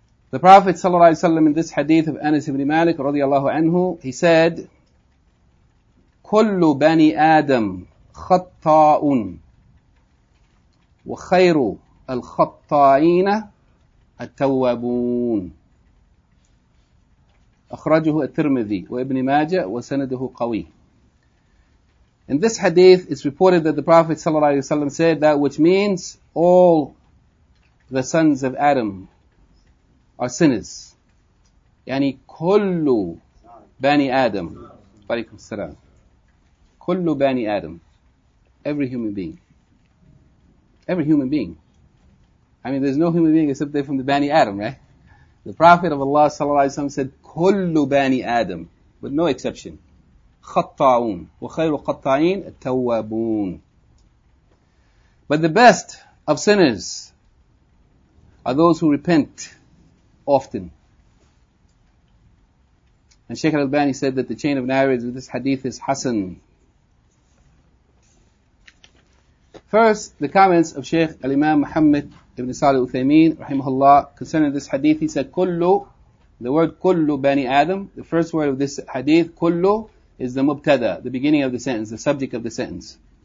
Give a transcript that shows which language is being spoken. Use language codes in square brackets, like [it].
[en] The Prophet sallallahu alaihi wasallam in this hadith of Anas ibn Malik radiyallahu anhu, he said, كل بني آدم خطاء وخير الخطائين التوابون. [ar] أخرجه الترمذي وابن ماجة وسنده قوي. [en] In this hadith, it's reported that the Prophet sallallahu alaihi wasallam said that which means all the sons of Adam are sinners. [ar] يعني كل بني آدم. عليكم السلام. [en] كل بني آدم. Every human being. Every human being. I mean, there's no human being except they're from the Bani Adam, right? The Prophet of Allah sallallahu alaihi wasallam said, كل بني آدم. With no exception. خطاؤون. [ar] وخير القطاعين التوابون. [en] But the best of sinners are those who repent often. And Shaykh al-Albani said that the chain of narrators of this hadith is Hassan. First, the comments of Shaykh al-Imam Muhammad ibn Salih Uthaymeen, rahimahullah, concerning this hadith, he said, kullu, the word kullu bani Adam, the first word of this hadith, kullu, is the mubtada, the beginning of the sentence, the subject of the sentence.